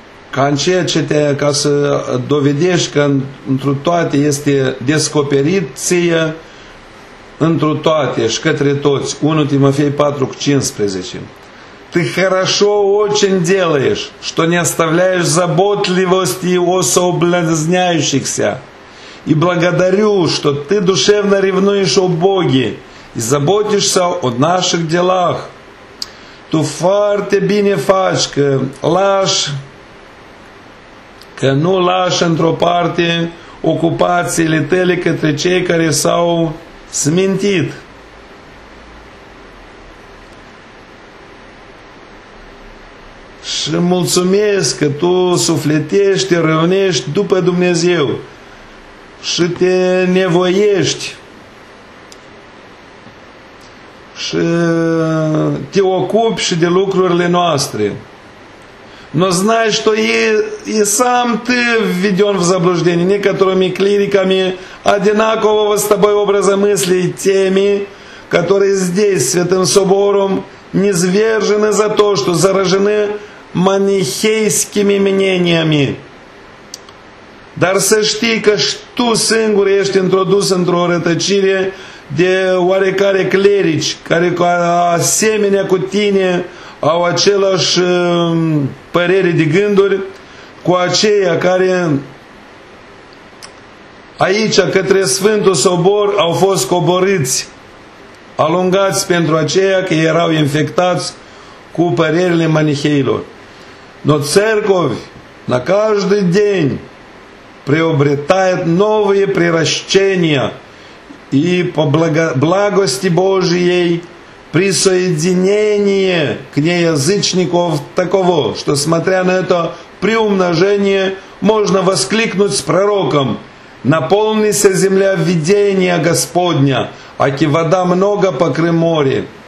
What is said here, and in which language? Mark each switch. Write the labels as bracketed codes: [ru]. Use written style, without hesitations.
[ro] Ca în ceea ce te, ca să dovedești că întru toate este descoperit ție, întru toate și către toți, 1 Timofei 4 cu 15. [ru] Ты хорошо очень делаешь, что не оставляешь заботливости о соблазняющихся. И благодарю, что ты душевно ревнуешь о Боге и заботишься о наших делах. [ro] Ту фарте бине фачка, лаш... Că nu lași într-o parte ocupațiile tale către cei care s-au smintit. Și mulțumesc că tu sufletești, răvnești după Dumnezeu și te nevoiești și te ocupi și de lucrurile noastre. [ru] Но знаешь, что и сам ты введен в заблуждение некоторыми клириками одинакового с тобой образа мысли и теми, которые здесь, Святым Собором, низвержены за то, что заражены манихейскими мнениями. [ro] Dar să știi că tu singur ești introdus într-o rătăcire de oarecare clerici care cu asemenea cu tine au același păreri de gânduri cu aceia care aici către Sfântul Sobor au fost coborâți, alungați pentru aceia că erau infectați cu părerile maniheilor. [ru] Но церковь на каждый день приобретает новые приращения и по благости Божией присоединение к ней язычников такого, что смотря на это приумножение, можно воскликнуть с пророком: «Наполнися земля видения Господня, аки вода много покры море».